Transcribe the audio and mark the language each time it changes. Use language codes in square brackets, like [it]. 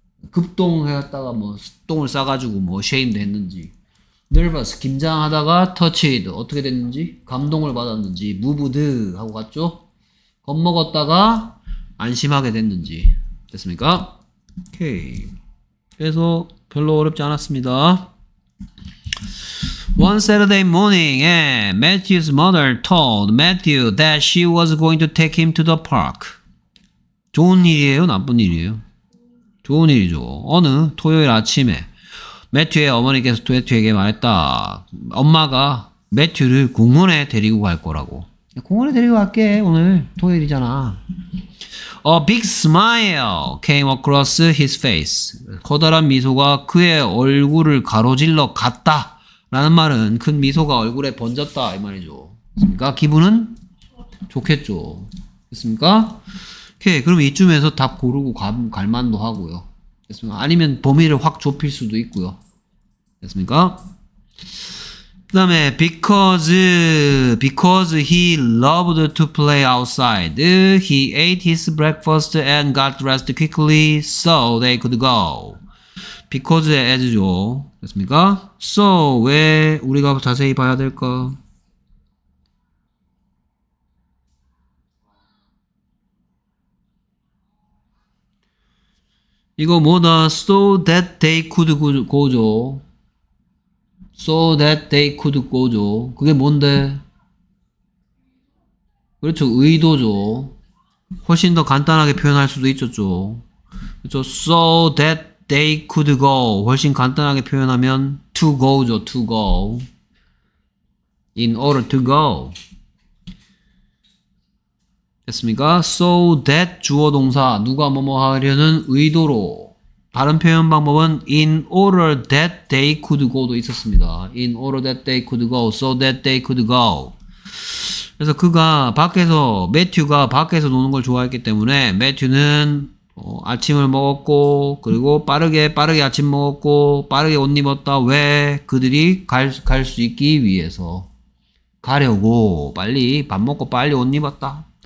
[ko] 급동했다가 뭐 똥을 싸가지고 뭐 shame 했는지, nervous 긴장하다가 touched 어떻게 됐는지 감동을 받았는지, moved 하고 갔죠? 겁먹었다가 안심하게 됐는지. 됐습니까? 오케이. 그래서 별로 어렵지 않았습니다. [en] One Saturday morning, Matthew's mother told Matthew that she was going to take him to the park. [ko] 좋은 일이에요? 나쁜 일이에요? 좋은 일이죠. 어느 토요일 아침에 매튜의 어머니께서 매튜에게 말했다. 엄마가 매튜를 공원에 데리고 갈 거라고. 공원에 데리고 갈게. 오늘 토요일이잖아. [en] A big smile came across his face. [ko] 커다란 미소가 그의 얼굴을 가로질러 갔다. 라는 말은 큰 미소가 얼굴에 번졌다 이 말이죠. 그러니까 기분은 좋겠죠. 됐습니까? 오케이. 그럼 이쯤에서 답 고르고 갈 만도 하고요. 됐습니까? 아니면 범위를 확 좁힐 수도 있고요. 됐습니까? 그다음에 [en] because he loved to play outside. He ate his breakfast and got dressed quickly so they could go. Because as죠. [ko] 됐습니까? So 왜 우리가 자세히 봐야 될까? 이거 뭐다? [en] So that they could go죠. So that they could go죠. [ko] 그게 뭔데? 그렇죠. 의도죠. 훨씬 더 간단하게 표현할 수도 있었죠. 그렇죠. [en] So that they could go. [ko] 훨씬 간단하게 표현하면 [en] to go죠. To go. In order to go. [ko] 됐습니까? So that 주어 동사. 누가 뭐뭐 하려는 의도로. 다른 표현 방법은 [en] in order that they could go [ko] 도 있었습니다. [en] In order that they could go, so that they could go. [ko] 그래서 그가 밖에서, 매튜가 밖에서 노는 걸 좋아했기 때문에 매튜는 아침을 먹었고 그리고 빠르게 아침 먹었고 빠르게 옷 입었다. 왜? 그들이 갈 수 있기 위해서 가려고 빨리 밥 먹고 빨리 옷 입었다.